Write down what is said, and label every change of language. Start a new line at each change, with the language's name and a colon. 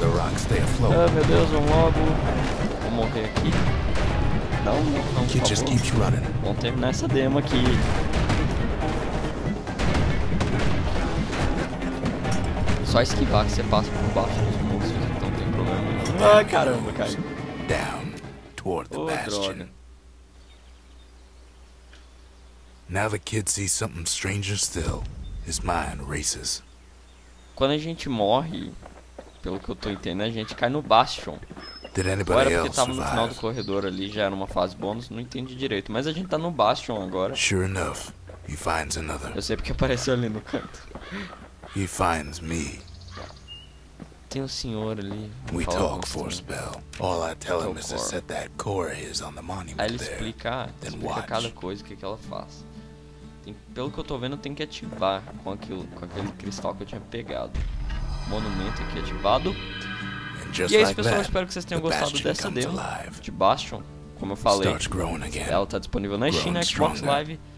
Portuguese: Ah, meu Deus, vamos logo. Morrer aqui. Não, por favor. Vamos terminar essa demo aqui. Só esquivar que você passa por baixo dos monstros, então não tem problema. Ah, caramba, cara.
English: Down toward the bastion. Now the kid sees something stranger still. His mind races.
Portuguese: Quando a gente morre, pelo que eu tô entendendo, a gente cai no bastion. Ou era porque tava no final do corredor ali, já era uma fase bônus, não entendi direito. Mas a gente tá no Bastion agora.
English: Sure enough, he finds another.
Portuguese: Eu sei porque apareceu ali no canto.
English: He finds me.
Portuguese: Tem um senhor ali.
English: We talk for a spell. All I tell him is to set that core is on the monument.
Portuguese: Aí ele explica, cada coisa que ela faz. Tem, pelo que eu tô vendo, tem que ativar com aquilo, com aquele cristal que eu tinha pegado. Monumento aqui ativado. E é isso, pessoal, eu espero que vocês tenham gostado dessa demo de Bastion. Como eu falei, ela está disponível na Steam, na Xbox Live.